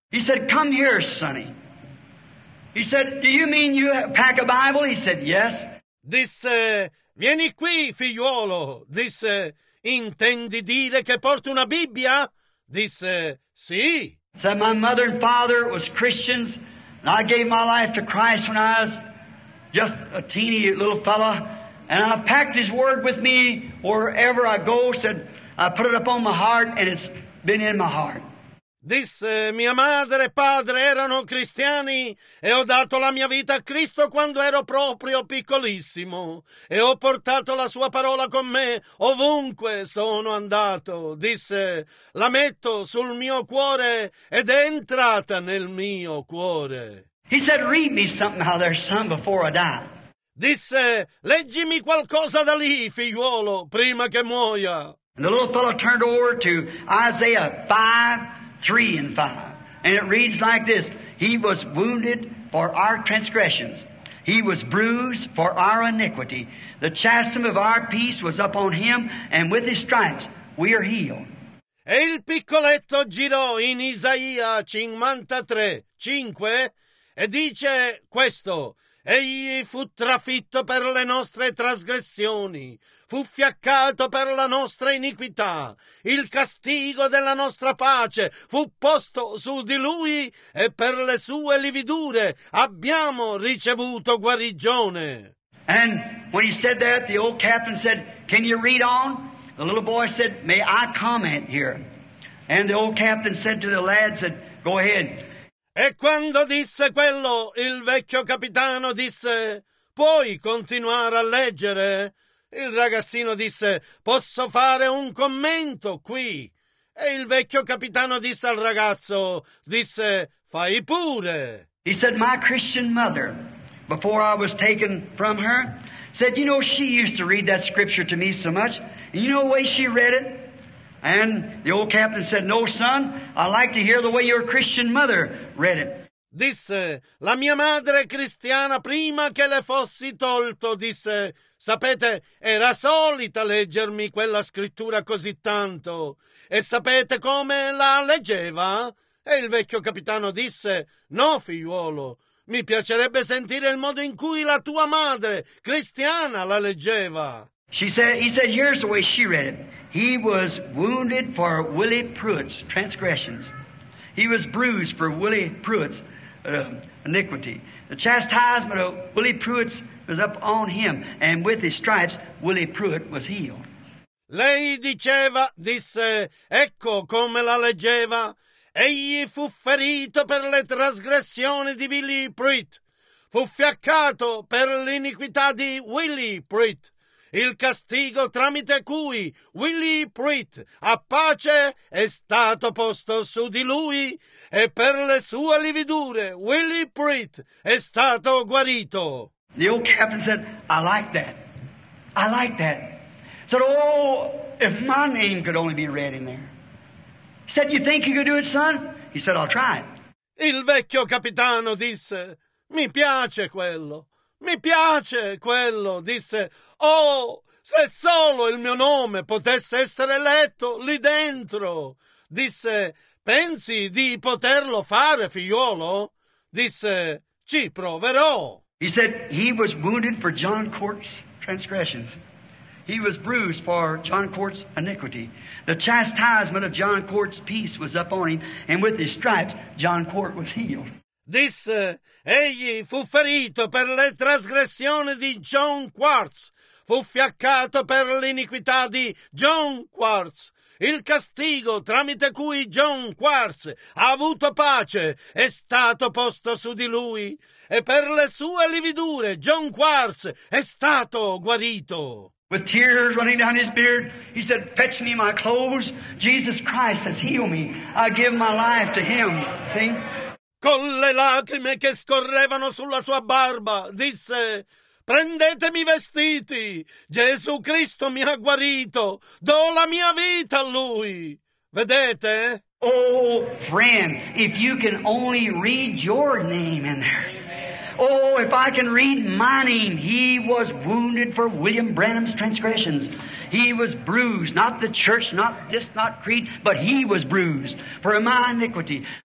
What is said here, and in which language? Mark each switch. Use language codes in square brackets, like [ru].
[en] He said, come here, sonny. He said, do you mean you pack a Bible? He said, yes. [it] Disse, vieni qui, figliuolo. Disse, intendi dire che porti una Bibbia? Disse, sì. [en] Said, my mother and father was Christians. And I gave my life to Christ when I was just a teeny little fella. And I packed his word with me wherever I go. Said, I put it up on my heart and it's been in my heart. [it] Disse, mia madre e padre erano cristiani e ho dato la mia vita a Cristo quando ero proprio piccolissimo e ho portato la sua parola con me ovunque sono andato. Disse, la metto sul mio cuore ed è entrata nel mio cuore. [en] He said, read me something how there's some before I die. [it] Disse, leggimi qualcosa da lì, figliuolo, prima che muoia. [en] And the little fellow turned over to Isaiah 5:3-5. And it reads like this. He was wounded for our transgressions. He was bruised for our iniquity. The chastisement of our peace was upon him, and with his stripes we are healed. [it] E il piccoletto girò in Isaia 53:5 e dice questo. Egli fu trafitto per le nostre trasgressioni, fu fiaccato per la nostra iniquità, il castigo della nostra pace fu posto su di lui e per le sue lividure abbiamo ricevuto guarigione. [en] And when he said that, the old captain said, can you read on? The little boy said, may I comment here? And the old captain said to the lad, said, go ahead. [it] E quando disse quello, il vecchio capitano disse, puoi continuare a leggere? Il ragazzino disse, posso fare un commento qui? E il vecchio capitano disse al ragazzo, disse, fai pure. [en] He said, my Christian mother, before I was taken from her, said, you know, she used to read that scripture to me so much. You know the way she read it? And the old captain said, no, son, I like to hear the way your Christian mother read it. [it] Disse, la mia madre cristiana prima che le fossi tolto, disse, sapete, era solita leggermi quella scrittura così tanto. E sapete come la leggeva? E il vecchio capitano disse, no, figliuolo, mi piacerebbe sentire il modo in cui la tua madre cristiana la leggeva. [en] He said, here's the way she read it. He was wounded for Willie Pruitt's transgressions. He was bruised for Willie Pruitt's iniquity. The chastisement of Willie Pruitt's was up on him, and with his stripes, Willie Pruitt was healed. [it] Lei diceva, disse, ecco come la leggeva. Egli fu ferito per le trasgressioni di Willie Pruitt. Fu fiaccato per l'iniquità di Willie Pruitt. Il castigo tramite cui Willie Pruitt a pace è stato posto su di lui e per le sue lividure Willie Pruitt è stato guarito. [en] The old captain said, I like that. I like that. He said, oh, if my name could only be read in there. He said, you think you could do it, son? He said, I'll try it. [it] Il vecchio capitano disse, mi piace quello. Mi piace quello, disse, oh, se solo il mio nome potesse essere letto lì dentro. Disse, pensi di poterlo fare, figliuolo? Disse, ci proverò. [en] He said he was wounded for John Court's transgressions. He was bruised for John Court's iniquity. The chastisement of John Court's peace was upon him, and with his stripes John Court was healed. [it] Disse, egli fu ferito per le trasgressioni di John Quartz, fu fiaccato per l'iniquità di John Quartz. Il castigo tramite cui John Quartz ha avuto pace è stato posto su di lui, e per le sue lividure John Quartz è stato guarito. [en] With tears running down his beard, he said, fetch me my clothes. Jesus Christ has healed me. I give my life to him. See? [it] con le lacrime che scorrevano sulla sua barba, disse: prendetemi i vestiti, Gesù Cristo mi ha guarito, do la mia vita a Lui. Vedete? [en] Oh, friend, if you can only read your name in there. Oh, if I can read my name. He was wounded for William Branham's transgressions. He was bruised, not the church, not this, not creed, but he was bruised for my iniquity.